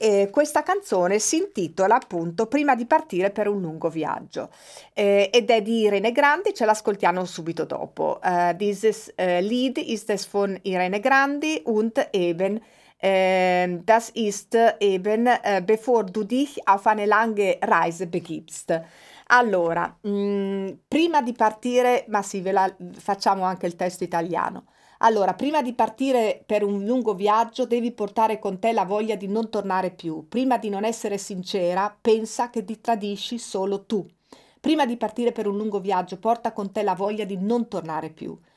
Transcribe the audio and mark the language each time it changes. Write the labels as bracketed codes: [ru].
[it] Questa canzone si intitola appunto Prima di partire per un lungo viaggio ed è di Irene Grandi, ce l'ascoltiamo subito dopo. [de] Dieses Lied ist es von Irene Grandi und eben das ist eben bevor du dich auf eine lange Reise begibst. [it] Allora, prima di partire, ma sì, facciamo anche il testo italiano. Allora, prima di partire per un lungo viaggio devi portare con te la voglia di non tornare più. Prima di non essere sincera, pensa che ti tradisci solo tu. Prima di partire per un lungo viaggio porta con te la voglia di non tornare più.